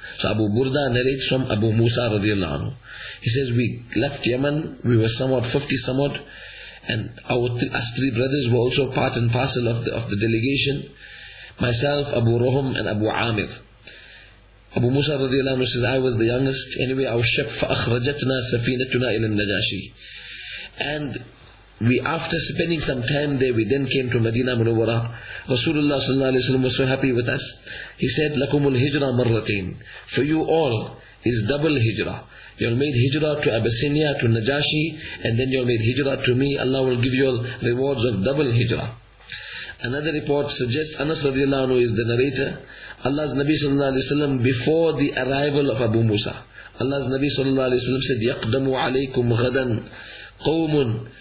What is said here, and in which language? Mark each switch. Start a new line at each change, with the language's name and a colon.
English: So Abu Burda narrates from Abu Musa radiallahu anhu. He says, we left Yemen, we were somewhat 50 somewhat, and us three brothers were also part and parcel of the delegation. Myself, Abu Ruhum and Abu Amir. Abu Musa radiallahu anhu says, I was the youngest. Anyway, our ship,
Arabic: فَأَخْرَجَتْنَا سَفِينَتُنَا إِلَى النَّجَاشِي.
English: And we, after spending some time there, we then came to Medina Munawwara. Rasulullah sallallahu alayhi wa sallam was so happy with us. He said,
Arabic: لَكُمُ الْهِجْرَ مَرَّتَيْن.
English: For you all is double hijrah. You'll made hijrah to Abyssinia, to Najashi, and then you'll made hijrah to me. Allah will give you all rewards of double hijrah. Another report suggests Anas radiallahu anhu is the narrator. Allah's Nabi sallallahu alayhi wa sallam, before the arrival of Abu Musa, Allah's Nabi sallallahu alayhi wa sallam said,
Arabic: يَقْدَمُ عَلَيْكُمْ غَدًا قَوْمٌ.